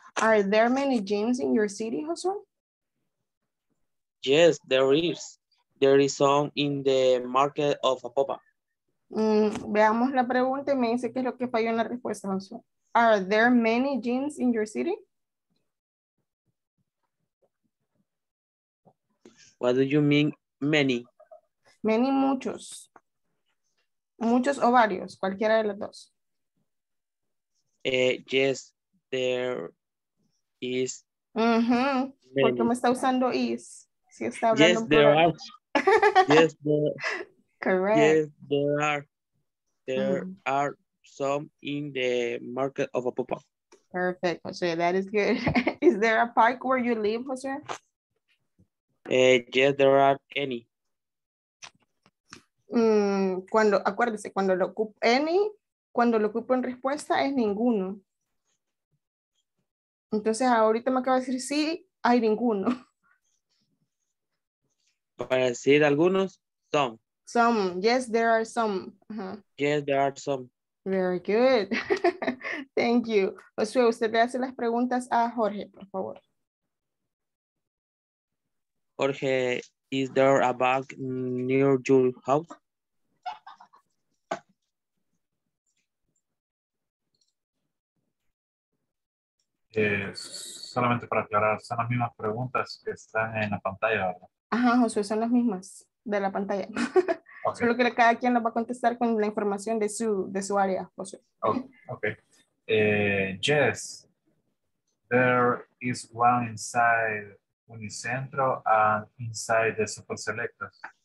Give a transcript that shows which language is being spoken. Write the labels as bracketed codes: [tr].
[en] Are there many gyms in your city, Jose? Yes, there is. There is some in the market of Apopa. [es] Veamos la pregunta y me dice qué es lo que falló en la respuesta, Jose. [en] Are there many gyms in your city? What do you mean, many? [es] Many, muchos. Muchos o varios, cualquiera de los dos. [en] Yes, there is. [es] Mm-hmm. Porque me está usando is. Si está hablando [en] yes, [es] por... [en] there are. Yes, there are. Correct. Yes, there are. There mm-hmm. are some in the market of Apopa. Perfect, Jose, that is good. Is there a park where you live, Jose? Yes, there are any. [es] Cuando, acuérdese, cuando lo ocupo any, cuando lo ocupo en respuesta es ninguno. Entonces ahorita me acaba de decir sí, hay ninguno. Para decir algunos, some. [en] Some, yes, there are some. Uh-huh. Yes, there are some. Very good. Thank you. [es] Josué, usted le hace las preguntas a Jorge, por favor. [en] Jorge, is there a bank near your house? [es] Solamente para aclarar, son las mismas preguntas que están en la pantalla, ¿verdad? Ajá, Josué, son las mismas de la pantalla. Okay. Solo que cada quien lo va a contestar con la información de su área, Josué. [en] Oh, ok. Yes, there is one inside Unicentro and inside the super selectors.